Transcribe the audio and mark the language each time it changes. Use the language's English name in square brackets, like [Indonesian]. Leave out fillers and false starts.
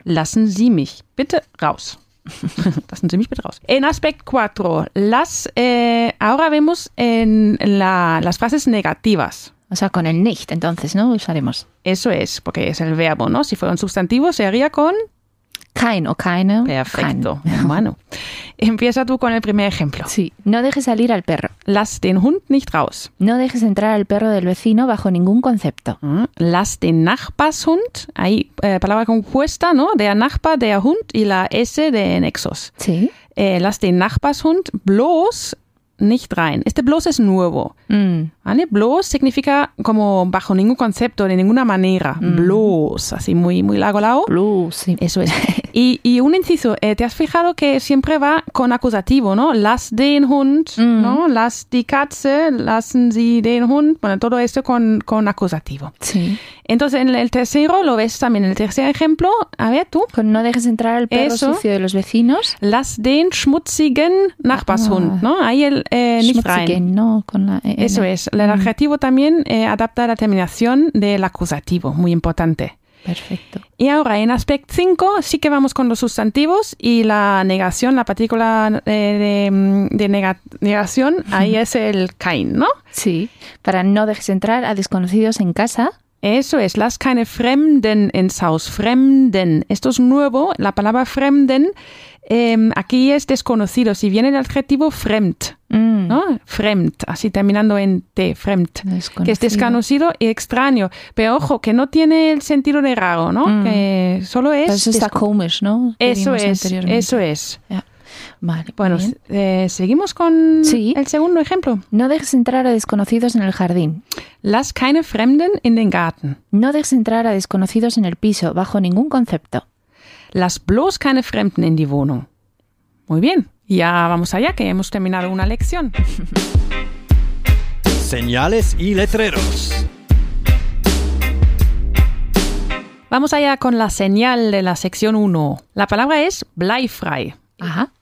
[German] Lassen Sie mich bitte raus. Das sind ziemlich raus. [Spanish] En aspect 4, ahora vemos en las frases negativas. O sea, con el nicht, entonces, ¿no? Usaremos. Eso es, porque es el verbo, ¿no? Si fuera un sustantivo, se haría con... kein o keine. Perfecto, hermano. Empieza tú con el primer ejemplo. Sí, no dejes salir al perro. [German] Lass den Hund nicht raus. [Spanish] No dejes entrar al perro del vecino bajo ningún concepto. [German] Lass den Nachbarshund, [Spanish] ahí palabra compuesta, ¿no? [German] Der Nachbar, der Hund [Spanish] y la S de Nexos. Sí. [German] Lass den Nachbarshund bloß nicht rein. [Spanish] Este bloß es nuevo. Mm. ¿Vale? Bloß significa como bajo ningún concepto, de ninguna manera. Mm. Bloß, así muy, muy lago. Bloß, sí. Eso es. Y un inciso, ¿te has fijado que siempre va con acusativo, ¿no? [German] Lass den Hund, ¿no? Lass die Katze, lassen Sie den Hund. [Spanish] Bueno, todo esto con acusativo. Sí. Entonces, en el tercero, lo ves también, en el tercer ejemplo, a ver tú. Con no dejes entrar al perro eso, sucio de los vecinos. [German] Lass den schmutzigen Nachbarshund, [Spanish] ¿no? Ahí el [German] nicht rein. [Spanish] No, con la eso es. El adjetivo también adapta la terminación del acusativo, muy importante. Perfecto. Y ahora, en aspect 5, sí que vamos con los sustantivos y la negación, la partícula de negación, ahí es el kein, ¿no? Sí, para no dejes entrar a desconocidos en casa. Eso es, [German] lass keine Fremden ins Haus, Fremden. [Spanish] Esto es nuevo, la palabra Fremden, aquí es desconocido, si viene el adjetivo Fremd, ¿no? Fremd, así terminando en T, Fremd, que es desconocido y extraño. Pero ojo, que no tiene el sentido de raro, ¿no? Que solo es... Pero eso está komisch, ¿no? Eso es. Yeah. Vale, bueno, seguimos con el segundo ejemplo. No dejes entrar a desconocidos en el jardín. [German] Lass keine Fremden in den Garten. [Spanish] No dejes entrar a desconocidos en el piso, bajo ningún concepto. [German] Lass bloß keine Fremden in die Wohnung. [Spanish] Muy bien, ya vamos allá, que hemos terminado una lección. Señales y letreros. Vamos allá con la señal de la sección 1. La palabra es Bleifrei. Ajá.